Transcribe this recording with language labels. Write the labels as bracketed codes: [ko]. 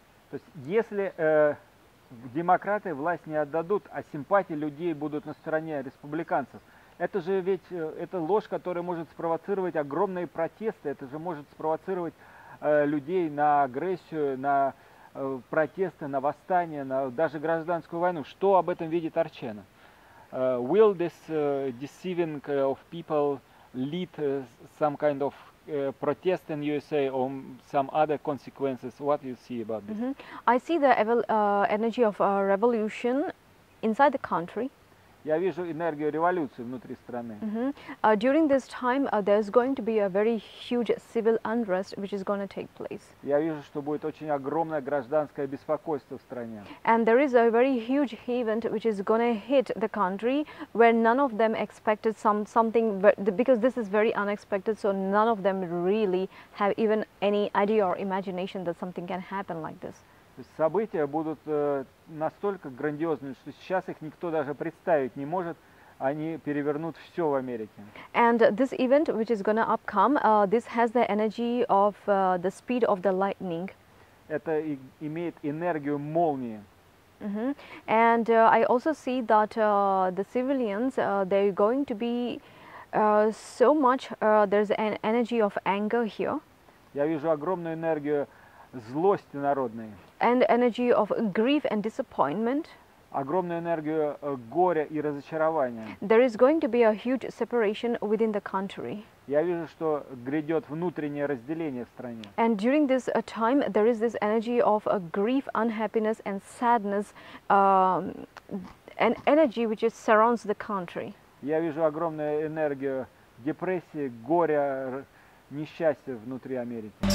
[ru] То есть, если демократы власть не отдадут, а симпатии людей будут на стороне республиканцев, это же ведь это ложь, которая может спровоцировать огромные протесты, это же может спровоцировать людей на агрессию, на протесты, на восстание, на даже гражданскую войну. Что об этом видит Арчена? [en] Will this deceiving of people lead some kind of protest in USA or some other consequences? What do you see about this? Mm-hmm. I see the energy of a revolution inside the country. [ru] Я вижу энергию революции внутри страны. [en] During this time, there's going to be a very huge civil unrest, which is going to take place. [ru] Я вижу, что будет очень огромное гражданское беспокойство в стране. [en] And there is a very huge event which is going to hit the country, where none of them expected something, because this is very unexpected, so none of them really have even any idea or imagination that something can happen like this. [ru] События будут настолько грандиозными, что сейчас их никто даже представить не может. Они перевернут все в Америке. [en] And this event, which is going to upcome, this has the energy of the speed of the lightning. [ru] Это имеет энергию молнии. Mm-hmm. [en] And I also see that the civilians, they're going to be so much, there's an energy of anger here. [ru] Я вижу огромную энергию злости народной. [en] And energy of grief and disappointment. [ru] Огромную энергию горя и разочарования. [en] There is going to be a huge separation within the country. [ru] Я вижу, что грядет внутреннее разделение в стране. [en] And during this time, there is this energy of grief, unhappiness and sadness, an energy which is surrounds the country. [ru] Я вижу огромную энергию депрессии, горя, несчастья внутри Америки.